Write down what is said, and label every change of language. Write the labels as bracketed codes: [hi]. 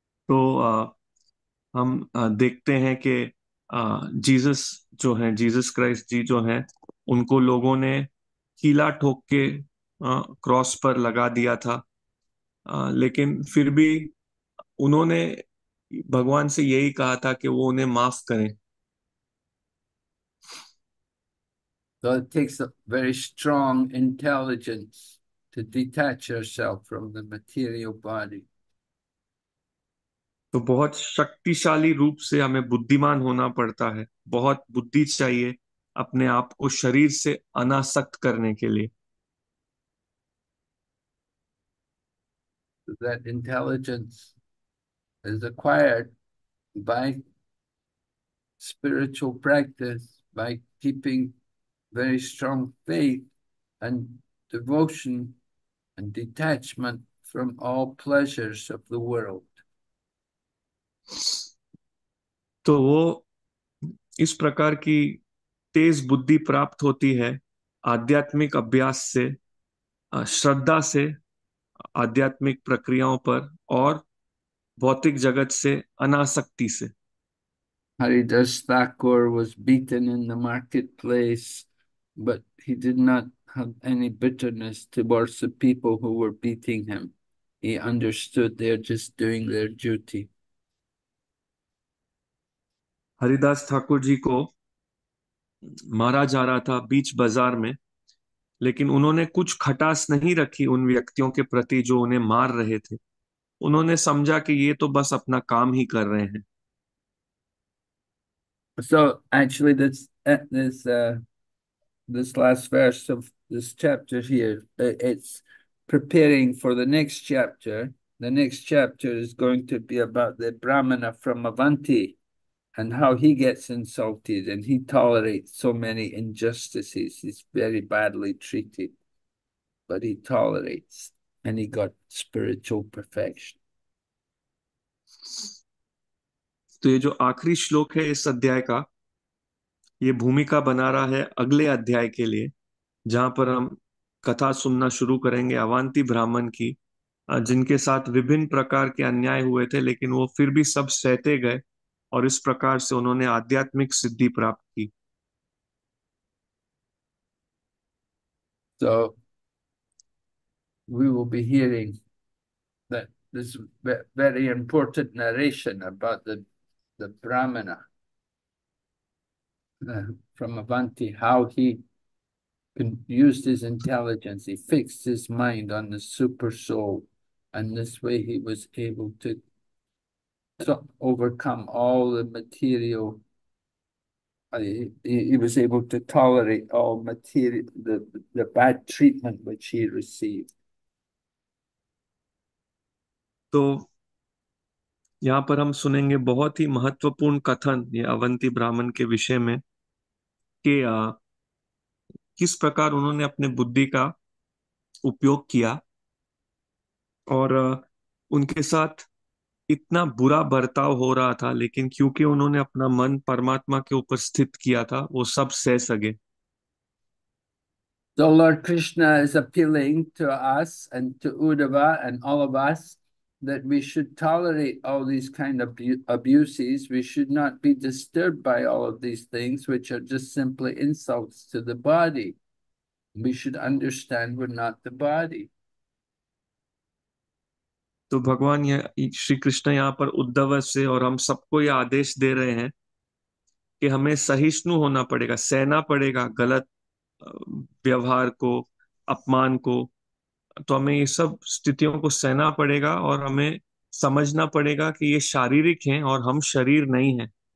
[hi] तो हम देखते हैं कि जीसस जो हैं, जीसस क्राइस्ट जी जो हैं, उनको लोगों ने कीला ठोक के क्रॉस पर लगा दिया था, लेकिन फिर भी उन्होंने भगवान से यही कहा था कि वो उन्हें माफ करें। [en] So it takes a very strong intelligence to detach yourself from the material body. [hi] तो बहुत शक्तिशाली रूप से हमें बुद्धिमान होना पड़ता है, बहुत बुद्धि चाहिए अपने आप को शरीर से अनासक्त करने के लिए। [en] That intelligence is acquired by spiritual practice, by keeping very strong faith and devotion and detachment from all pleasures of the world. [hi] तो वो इस प्रकार की तेज बुद्धि प्राप्त होती है आध्यात्मिक अभ्यास से, श्रद्धा से आध्यात्मिक प्रक्रियाओं पर, और भौतिक जगत से अनासक्ति से। [en] Haridas Thakur was beaten in the marketplace, but he did not have any bitterness towards the people who were beating him. He understood they are just doing their duty. [hi] Haridas Thakur ji को मारा जा रहा था बीच बाजार में, लेकिन उन्होंने कुछ खटास नहीं रखी उन व्यक्तियों के प्रति जो उन्हें मार रहे थे। उन्होंने समझा कि ये तो बस अपना काम ही कर रहे हैं। [en] So actually this last verse of this chapter here, it's preparing for the next chapter. The next chapter is going to be about the Brahmana from Avanti and how he gets insulted and he tolerates so many injustices. He's very badly treated, but he tolerates and he got spiritual perfection. [hi] तो ये जो आखिरी श्लोक है इस अध्याय का, ये भूमिका बना रहा है अगले अध्याय के लिए, जहां पर हम कथा सुनना शुरू करेंगे अवंती ब्राह्मण की, जिनके साथ विभिन्न प्रकार के अन्याय हुए थे, लेकिन वो फिर भी सब सहते गए और इस प्रकार से उन्होंने आध्यात्मिक सिद्धि प्राप्त की। [en] So we will be hearing that this very important narration about the Brahmana from Avanti, how he used his intelligence, he fixed his mind on the super soul, and this way he was able to overcome all the material. He was able to tolerate all material, the bad treatment which he received. [hi] तो यहाँ पर हम सुनेंगे बहुत ही महत्वपूर्ण कथन ये अवंती ब्राह्मण के विषय में कि किस प्रकार उन्होंने अपने बुद्धि का उपयोग किया और उनके साथ इतना बुरा बर्ताव हो रहा था, लेकिन क्योंकि उन्होंने अपना मन परमात्मा के ऊपर स्थित किया था वो सब सह सके। [en] So Lord Krishna is appealing to us and to Uddhava and all of us that we should tolerate all these kind of abuses. We should not be disturbed by all of these things, which are just simply insults to the body. We should understand we're not the body. [hi] तो भगवान यह श्री कृष्ण यहाँ पर उद्धव से और हम सबको यह आदेश दे रहे हैं कि हमें सहिष्णु होना पड़ेगा, सहना पड़ेगा गलत व्यवहार को, अपमान को। तो हमें ये सब स्थितियों को सहना पड़ेगा और हमें समझना पड़ेगा कि ये शारीरिक हैं और हम शरीर नहीं हैं।